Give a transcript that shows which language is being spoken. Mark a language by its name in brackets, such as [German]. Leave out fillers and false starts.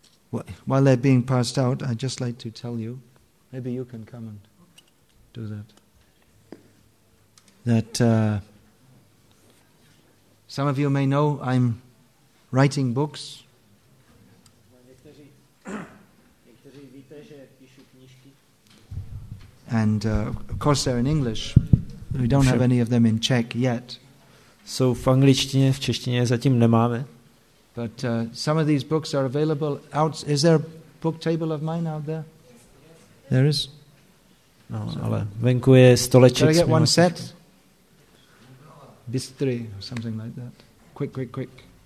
[English] While they're being passed out, I'd just like to tell you, maybe you can come and do that, some of you may know I'm writing books. And of course they're in English. We don't have any of them in Czech yet. [Czech] Jsou v angličtině, v češtině zatím nemáme. [English] But some of these books are available out. Is there a book table of mine out there? There is. [Czech] No, so, ale venku je stoleček. [English] Can I get one set? Bystry, something like that. Quick.